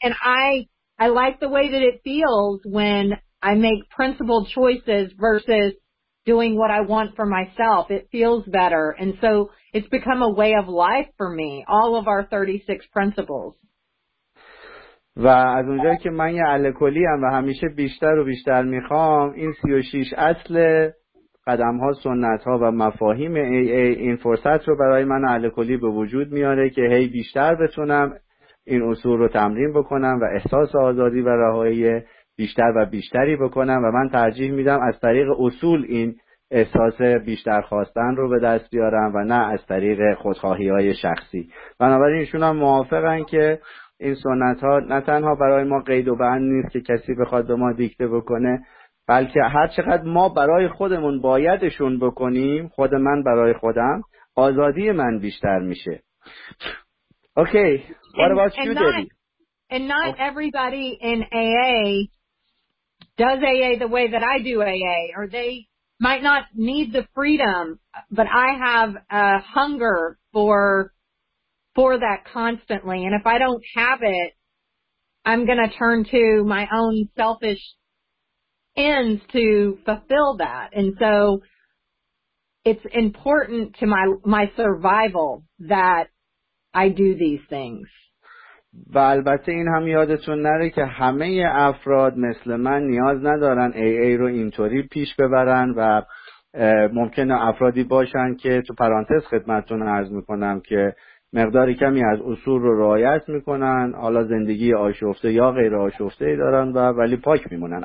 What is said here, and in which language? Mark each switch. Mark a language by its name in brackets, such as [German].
[English] And I like the way that it feels when I make principled choices versus doing what I want for myself. It feels better. And so it's become a way of life for me, all of our 36 principles. [Persian] و از اونجایی که من یه الکلی هم و همیشه بیشتر و بیشتر میخوام این 36 اصل قدم‌ها سنت‌ها و مفاهیم AA این فرصت رو برای من الکلی به وجود میاره که هی بیشتر بتونم این اصول رو تمرین بکنم و احساس آزادی و رهایی بیشتر و بیشتری بکنم و من ترجیح میدم از طریق اصول این احساس بیشتر خواستن رو به دست بیارم و نه از طریق خودخواهی‌های شخصی. بنابراین ایشون هم موافقن که این سنت ها نه تنها برای ما قید و بند نیست که کسی بخواد به ما دیکته بکنه، بلکه هر چقدر ما برای خودمون بایدشون بکنیم، خود من برای خودم، آزادی من بیشتر میشه. [English] Okay, what about you, Debbie? And not everybody in AA does AA the way that I do AA, or they might not need the freedom, but I have a hunger for that constantly, and if I don't have it, I'm going to turn to my own selfish ends to fulfill that. And so it's important to my survival that I do these things. [Persian] و البته این هم یادتون نره که همه افراد مثل من نیاز ندارن AA رو اینطوری پیش ببرن و ممکنه افرادی باشن که تو پرانتز خدمتتون عرض می‌کنم که مقدار کمی از اصول رو رعایت میکنن، حالا زندگی آشفته یا غیر آشفته ای دارن و ولی پاک میمونن.